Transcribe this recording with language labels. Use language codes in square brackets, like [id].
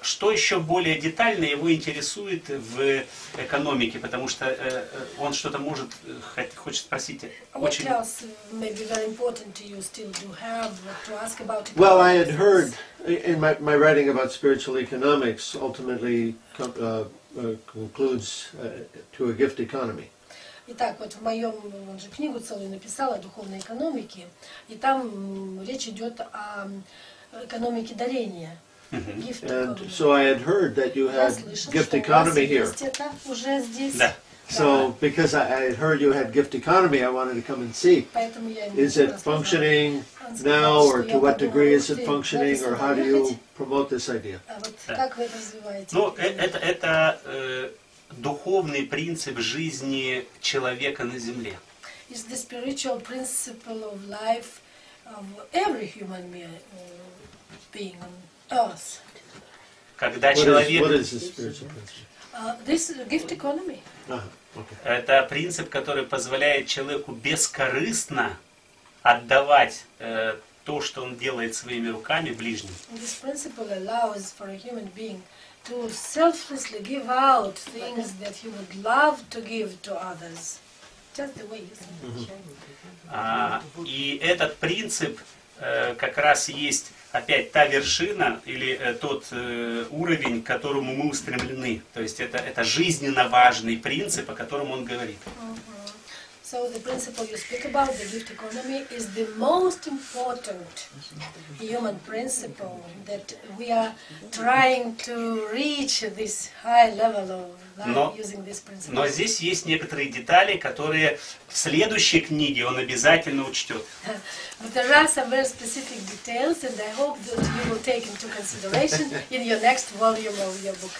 [ru] Что еще более детально его интересует в экономике, потому что он что-то может хочет спросить. [en] What else may be very important to you still to have to ask about? Well, I had heard in my writing about spiritual economics ultimately concludes to a gift economy. [ru] Итак, вот в моем, он же книгу целую написал о духовной экономике, и там речь идет о экономике дарения, gift economy. [en] So I had heard that you had gift economy here. [ru] Это уже здесь. Да. [en] So because I had heard you had gift economy, I wanted to come and see. [ru] Поэтому я не. [en] Is it functioning now, or to what degree is it functioning, or how do you promote this idea? [ru] Вот как вы это развиваете? Ну, это духовный принцип жизни человека на земле. [en] Is the spiritual principle of life of every human being on earth? [ru] Когда человек... [en] What is the spiritual principle? This gift economy. [ru] Это принцип, который позволяет человеку бескорыстно отдавать то, что он делает своими руками ближним. [en] This principle allows for a human being to selflessly give out things that he would love to give to others, just the way you think. [ru] И этот принцип как раз есть опять та вершина или тот уровень, к которому мы устремлены. То есть это жизненно важный принцип, о котором он говорит. [en] So the principle you speak about, the gift economy, is the most important human principle that we are trying to reach this high level of life using this principle. [ru] Но здесь есть некоторые детали, которые в следующей книге он обязательно учтет. [en] But there are some very specific details, and I hope that you will take into consideration in your next volume of your book.